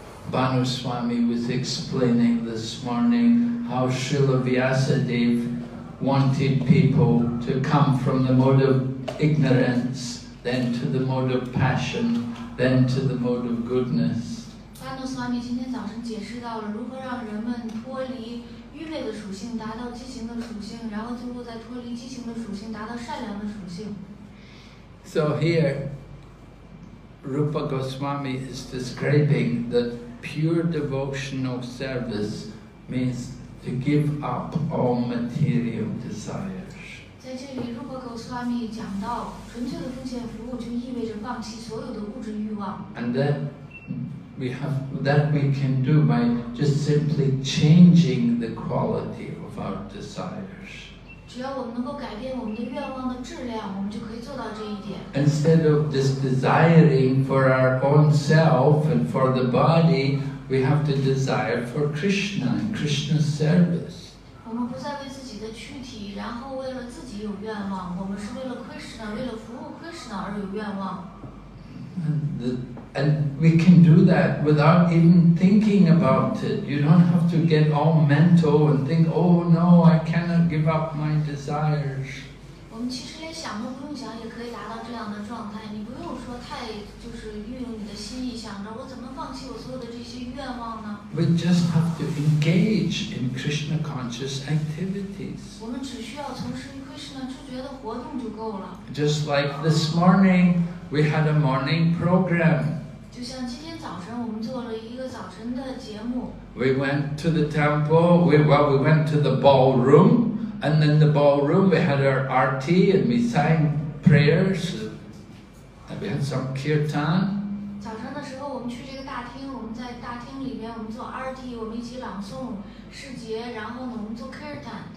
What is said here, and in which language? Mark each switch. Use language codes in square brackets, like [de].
[en] Bhanu Swami was explaining this morning how Srila Vyasadeva wanted people to come from the mode of ignorance, then to the mode of passion, then to the mode of goodness. [zh] Bhanu Swami 今天早晨解释到了如何让人们脱离愚昧的属性，达到激情的属性，然后最后再脱离激情的属性，达到善良的属性。 [en] So here, Rupa Goswami is describing that pure devotional service means to give up all material desires. [zh] 在这里，如果狗斯瓦米讲到纯粹的奉献服务，就意味着放弃所有的物质欲望。 [en] And then we have that we can do by just simply changing the quality of our desires. [zh] 只要我们能够改变我们的愿望的质量，我们就可以做到这一点。 [en] Instead of just desiring for our own self and for the body, we have to desire for Krishna and Krishna's service. [zh] 我们不再为自己的躯体，然后为了自己有愿望，我们是为了 Krishna， 为了服务 Krishna 而有愿望。 [en] And we can do that without even thinking about it. You don't have to get all mental and think, oh no, I cannot give up my desires. [zh] 我们其实连想都不用想，也可以达到这样的状态。你不用说太就是运用你的心意，想着我怎么放弃我所有的这些愿望呢？ [en] We just have to engage in Krishna conscious activities. [zh] 我们只需要从事 Krishna 知觉的活动就够了。 [en] Just like this morning. We had a morning program. [zh] 就像今天早晨，我们做了一个早晨的节目。 [en] We went to the temple. We went to the ballroom, and then the ballroom we had our RT and we sang prayers. And we had some kirtan. [zh] 早晨的时候，我们去这个大厅，我们在大厅里面，我们做 RT， 我们一起朗诵世节，然后呢，我们做 kirtan.